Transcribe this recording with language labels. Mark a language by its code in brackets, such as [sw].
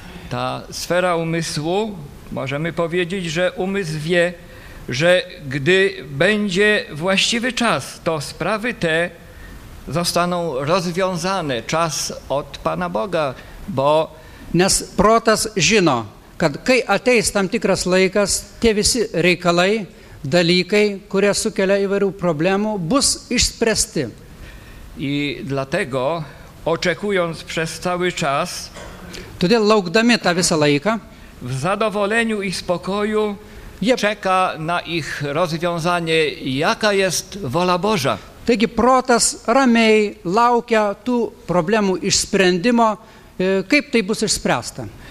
[pl] Ta sfera umysłu, możemy powiedzieć, że umysł wie, że gdy będzie właściwy czas, to sprawy te zostaną rozwiązane. Czas od Pana Boga, bo [lt] nes protas žino, kad kai ateis tam tikras laikas, tie visi reikalai, dalykai, kurie sukelia įvairių problemų, bus išspręsti. [pl] I dlatego, oczekując przez cały czas, [lt] todėl laukdami tą visą laiką, [pl] w zadowoleniu i spokoju, jie czeka na ich rozwiązanie, jaka jest wola Boża. [lt] Taigi protas ramiai laukia tų problemų išsprendimo, kaip tai bus išspręsta.